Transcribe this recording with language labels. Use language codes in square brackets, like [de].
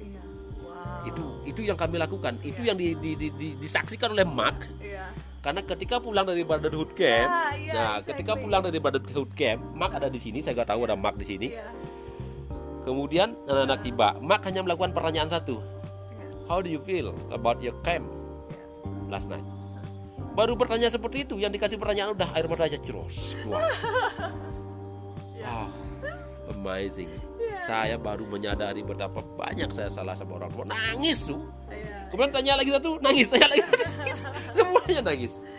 [id] Iya. Wow. Itu yang kami lakukan. Itu yang disaksikan oleh Mark. Iya. Karena ketika pulang dari Brotherhood Camp, ketika pulang dari Brotherhood Camp, Mark ada di sini. Saya nggak tahu ada Mark di sini. Iya. Kemudian anak-anak tiba. Mark hanya melakukan pertanyaan satu. [en] How do you feel about your camp last night? [id] Baru pertanyaan seperti itu, yang dikasih pertanyaan udah air mata aja ceros. [en] Wow, amazing. [id] Saya baru menyadari betapa banyak saya salah sama orang tua. Nangis tuh. Kemudian tanya lagi satu, nangis. Tanya lagi semuanya nangis.